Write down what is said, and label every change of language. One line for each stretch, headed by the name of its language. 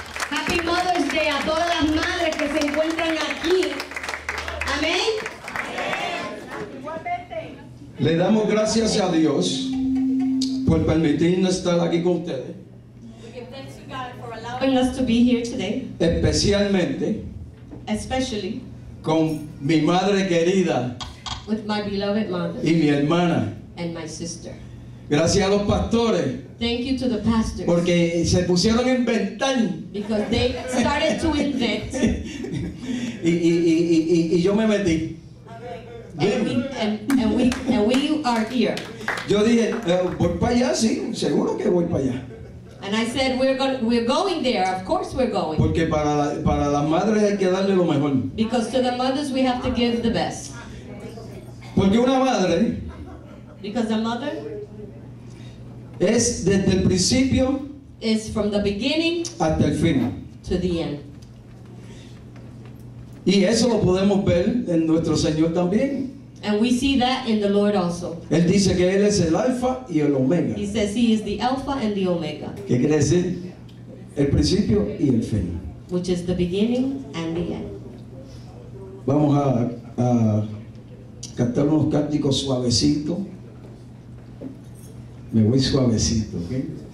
English: Happy Mother's Day
Spanish: a todas las madres que se encuentran aquí. Amén. Le damos gracias a Dios por permitirnos estar aquí con ustedes.
English: We give thanks to God for allowing us to be here today.
Spanish: Especialmente.
English: Especially.
Spanish: Con mi madre querida.
English: With my beloved mother.
Spanish: Y mi hermana.
English: And my sister.
Spanish: Gracias a los pastores.
English: Thank you to the pastors.
Spanish: Porque se pusieron a inventar.
English: Because they started to invent.
Spanish: Y yo me metí.
English: And we are here.
Spanish: Yo dije, voy para allá, sí, seguro que voy para allá.
English: And I said we're going there. Of course we're going.
Spanish: Porque para las madres hay que darle lo mejor.
English: Because to the mothers we have to give the best.
Spanish: Porque una madre.
English: Because a mother.
Spanish: Es desde el principio.
English: Is from the beginning.
Spanish: Hasta el fin.
English: To the end.
Spanish: Y eso lo podemos ver en nuestro Señor también.
English: And we see that in the Lord also.
Spanish: Él dice que Él es el Alfa y el Omega.
English: He says He is the Alpha and the Omega.
Spanish: ¿Qué quiere decir? El principio y el fin.
English: Which is the beginning and the end.
Spanish: Vamos a cantar unos cánticos suavecitos. Me voy suavecito, ¿ok?